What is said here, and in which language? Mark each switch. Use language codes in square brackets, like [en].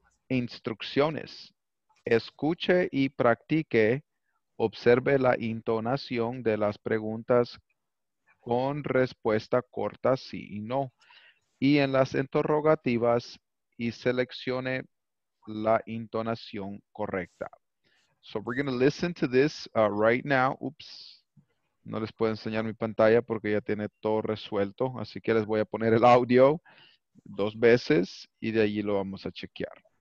[es] Instrucciones. Escuche y practique. Observe la intonación de las preguntas con respuesta corta sí y no. y en las interrogativas y seleccione la entonación correcta. [en] So we're going to listen to this right now. Oops. [es] No les puedo enseñar mi pantalla porque ya tiene todo resuelto. Así que les voy a poner el audio dos veces y de allí lo vamos a chequear.